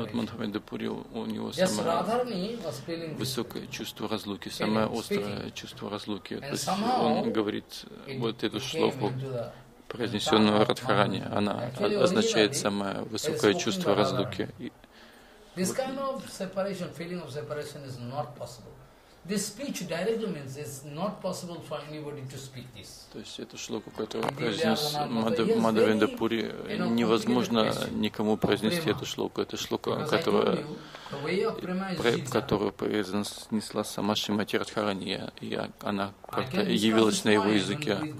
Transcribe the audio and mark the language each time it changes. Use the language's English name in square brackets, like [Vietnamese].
[Russian] Вот Мадхавендра Пури, у него самое высокое чувство разлуки, самое острое чувство разлуки. То есть он говорит вот эту шлоку, произнесенную Радхарани, она означает самое высокое чувство разлуки. [English] This kind of separation, feeling of separation is not possible. This speech directly means it's not possible for anybody to speak this. [Russian] То есть эту шлоку, которую произнес Мадхавендра Пури, невозможно никому произнести эту шлоку. Это шлока, которую произнесла сама Шримати Радхарани, и она как-то явилась на его языке.